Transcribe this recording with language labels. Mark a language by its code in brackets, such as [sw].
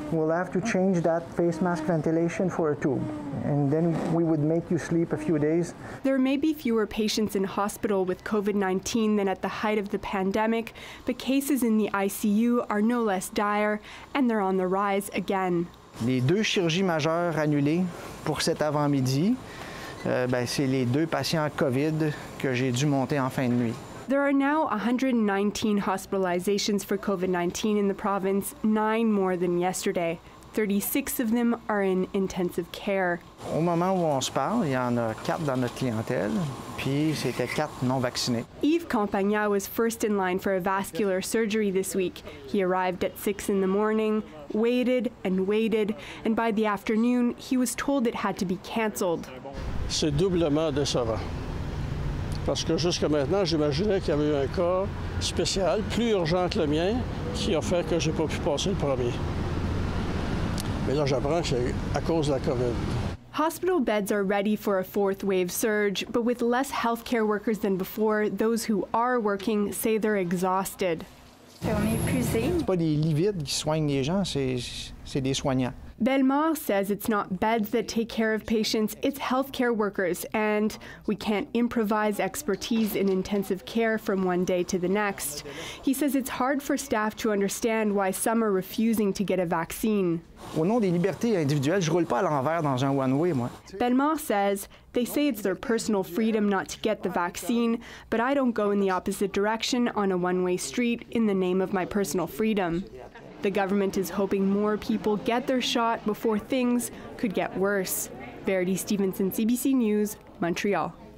[en] We'll have to change that face mask ventilation for a tube, and then we would make you sleep a few days. There may be fewer patients in hospital with COVID-19 than at the height of the pandemic, but cases in the ICU are no less dire, and they're on the rise again. [fr] Les deux chirurgies majeures annulées pour cet avant-midi, c'est les deux patients COVID que j'ai dû monter en fin de nuit. [en] There are now 119 hospitalizations for COVID-19 in the province, 9 more than yesterday. 36 of them are in intensive care. [fr] Au moment où on se parle, il y en a 4 dans notre clientèle, puis c'était 4 non vaccinés. [en] Yves Campagna was first in line for a vascular surgery this week. He arrived at 6 in the morning, waited and waited, and by the afternoon, he was told it had to be canceled. [fr] C'est doublement décevant. Parce que jusqu'à maintenant, j'imaginais qu'il y avait eu un cas spécial, plus urgent que le mien, qui a fait que j'ai pas pu passer le premier. Mais là, j'apprends que c'est à cause de la COVID. [en] Hospital beds are ready for a fourth wave surge, but with less healthcare workers than before, those who are working say they're exhausted. [fr] On est plus ici. C'est pas des lits vides qui soignent les gens, c'est des soignants. [en] Belmar says it's not beds that take care of patients, it's healthcare workers, and we can't improvise expertise in intensive care from one day to the next. He says it's hard for staff to understand why some are refusing to get a vaccine. [fr] Au nom des libertés individuelles, je roule pas à l'envers dans un [en] one-way, [fr] moi. [en] Belmar says they say it's their personal freedom not to get the vaccine, but I don't go in the opposite direction on a one-way street in the name of my personal freedom. The government is hoping more people get their shot before things could get worse. Verity Stevenson, CBC News, Montreal.